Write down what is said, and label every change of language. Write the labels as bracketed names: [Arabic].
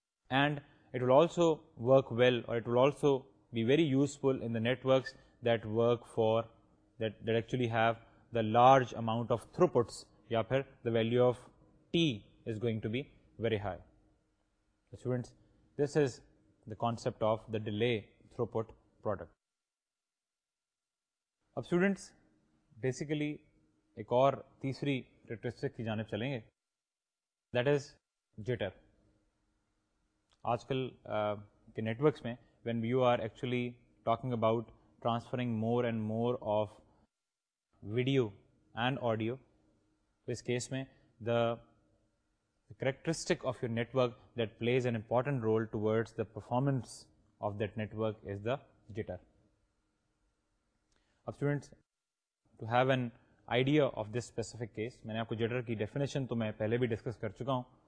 [English] And it will also work well, or it will also be very useful in the networks that work for, that actually have the large amount of throughputs. [Urdu] Ya phir, [English] the value of T is going to be very high. So students, this is the concept of the delay throughput product. Ab students, basically, [Urdu] ایک اور تیسری characteristic کی جانب چلیں گے [English] That is jitter آج کل کے نیٹ ورکس میں when you are actually talking about transferring more and more of video and audio. In this case, mein, the characteristic of your network that plays an important role towards the performance of that network is the jitter. Now, students, to have an idea of this specific case, I have discussed jitter [Urdu] ki definition to main pehle bhi discuss kar chuka hu.